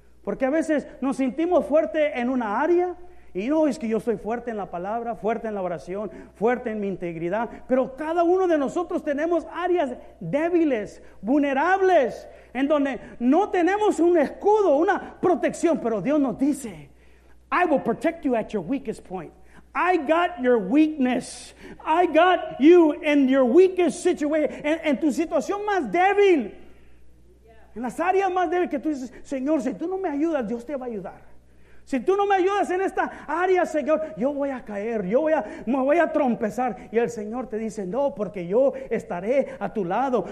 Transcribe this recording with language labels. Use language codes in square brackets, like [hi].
[es] Porque a veces nos sentimos fuerte en una área y no es que yo soy fuerte en la palabra, fuerte en la oración, fuerte en mi integridad. Pero cada uno de nosotros tenemos áreas débiles, vulnerables, en donde no tenemos un escudo, una protección. Pero Dios nos dice, [en] I will protect you at your weakest point. I got your weakness. I got you in your weakest situation. [es] En tu situación más débil. En las áreas más débiles que tú dices, Señor, si tú no me ayudas, Dios te va a ayudar. Si tú no me ayudas en esta área, Señor, yo voy a caer, me voy a trompezar. Y el Señor te dice, no, porque yo estaré a tu lado.